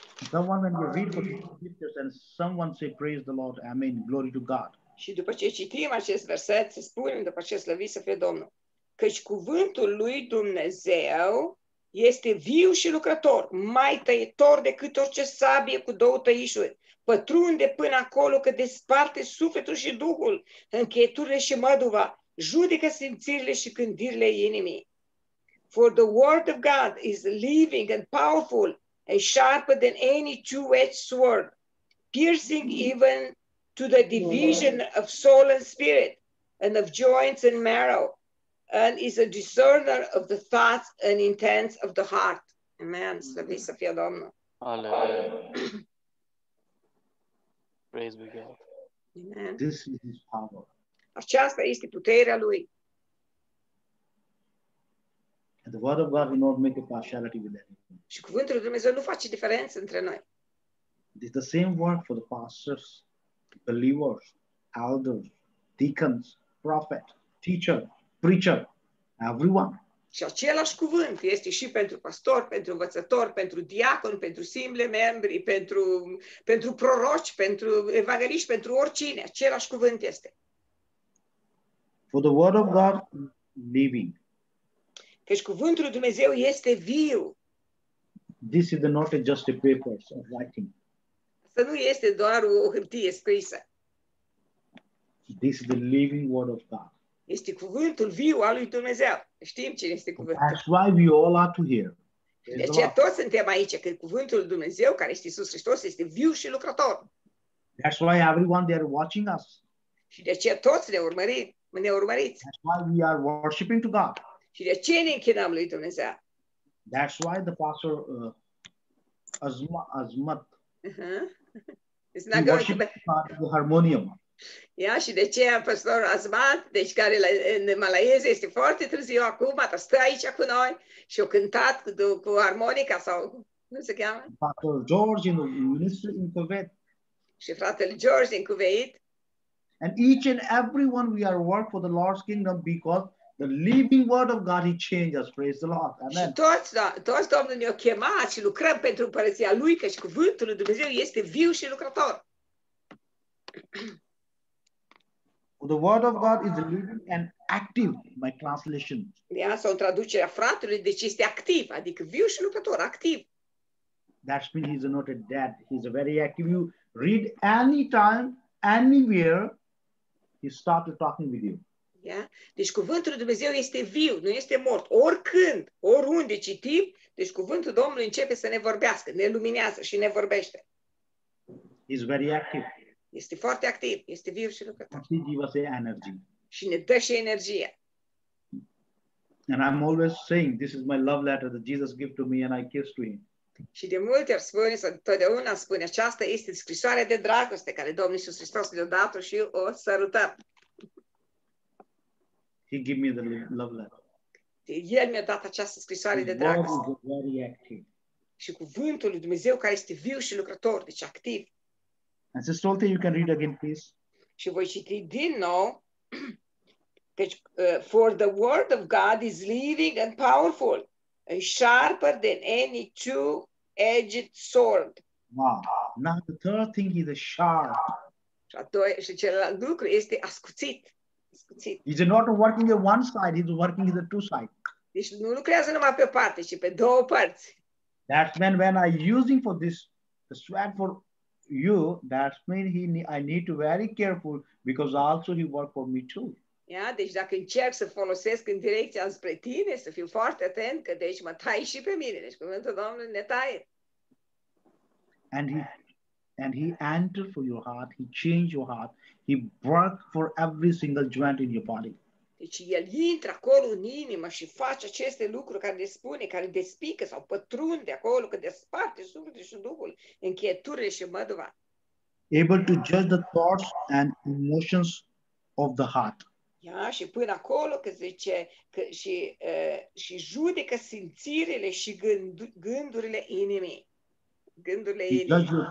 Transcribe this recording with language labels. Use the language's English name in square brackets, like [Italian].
[English] Someone when you read the scriptures and someone say praise the Lord, amen, glory to God. [Romanian] Și după ce citim acest verset, se spune după ce slăvi să fie Domnul, căci cuvântul lui Dumnezeu este viu și lucrător, mai tăietor decât orice sabie cu două tăișuri, pătrunde până acolo că desparte sufletul și duhul, încheieturile și măduva, judecă simțirile și gândirile inimii. [English] For the word of God is living and powerful and sharper than any two-edged sword, piercing even to the division of soul and spirit and of joints and marrow, and is a discerner of the thoughts and intents of the heart. [Romanian] Amen. Slavi să fie Domnul. [English] Praise be God. Amen. This is his power. [Romanian] Aceasta este puterea lui. [English] And the word of God will not make a partiality with anything. [Romanian] Și cuvântul lui Dumnezeu nu face diferență între noi. [English] It's the same word for the pastors, believers, elders, deacons, prophet, teacher, preacher, everyone. [Romanian] Și același cuvânt este și pentru pastor, pentru învățător, pentru diacon, pentru simple membri, pentru proroci, pentru evangeliști, pentru oricine. Același cuvânt este. [English] For the word of God living. [Romanian] Căci cuvântul lui Dumnezeu este viu. [English] This is not just a paper of writing. [Romanian] Asta nu este doar o hârtie scrisă. [English] This is the living word of God. [Romanian] Este cuvântul viu al lui Dumnezeu. Știm cine este cuvântul. [English] That's why we all are to hear. [Romanian] De aceea toți suntem aici, că cuvântul lui Dumnezeu, care este Iisus Hristos, este viu și lucrător. [English] That's why everyone there watching us. [Romanian] Și de aceea toți ne urmăriți. [English] That's why we are worshiping to God. [Romanian] Și de ce ne închinăm lui Dumnezeu? [English] That's why the pastor Azmat. Uh-huh. The harmonium. [Romanian] Ia, și de ce pastor Azmat, deci care în malaieză este foarte târziu acum, dar stă aici cu noi și a cântat cu armonica sau cum se cheamă? [English] Pastor George in the ministry in Kuwait. [Romanian] Și fratele George in Kuwait. [English] And each and everyone we are work for the Lord's kingdom because the living word of God, he changed us. Praise the Lord. Amen. [Romanian] Toți Domnul ne-a chemat și lucrăm pentru împărăția lui, căci cuvântul lui Dumnezeu este viu și lucrător. [English] The word of God is living and active, my translation. [Romanian] Asta o traducere a fratelui, deci este activ, adică viu și lucrător, activ. [English] That means he's not a dead, he's a very active. You read anytime, anywhere, he started talking with you. Yeah? [Romanian] Deci cuvântul lui Dumnezeu este viu, nu este mort. Oricând, oriunde citim, deci cuvântul Domnului începe să ne vorbească, ne luminează și ne vorbește. [English] He's very active. [Romanian] Este foarte activ, este viu și lucrător. [English] He gives us energy. [Romanian] Și ne dă și energie. [English] And I'm always saying, this is my love letter that Jesus gave to me and I kissed to him. [Romanian] Și de multe ori spune, sau totdeauna spune, aceasta este scrisoarea de dragoste care Domnul Iisus Hristos le-a dat și o sărutăm. [English] He gave me the love letter. [Romanian] El mi-a dat această scrisoare [English] His [Romanian] de dragoste. [English] Word is very active. [Romanian] Și cuvântul lui Dumnezeu care este viu și lucrător, deci activ. [English] And Sister Olte, you can read again, please. [Romanian] Și voi citi din nou. [English] Căci, for the word of God is living and powerful, and sharper than any two-edged sword. Wow. Now the third thing is a sharp. [Romanian] Și, și celălalt lucru este ascuțit. [English] He's not working on one side, he's working on the two sides. [Romanian] Deci nu lucrează numai pe o parte, ci pe două părți. [English] That means when I'm using for this the sword for you, that means I need to be very careful because also he worked for me too. [Romanian] Yeah, deci dacă încerc să folosesc în direcția spre tine, să fiu foarte atent, că deci mă tai și pe mine. Deci cuvântul Domnului ne taie. [English] And he entered for your heart, he changed your heart, he worked for every single joint in your body. [Romanian] Deci el intră acolo în inimă și face aceste lucruri care le spune, care despică sau pătrunde acolo, că desparte sufletul și duhul, încheieturile și măduva. [English] Able to judge the thoughts and emotions of the heart. [Romanian] Ia, și până acolo că zice că și judecă simțirile și gândurile inimii. Gândurile inimii.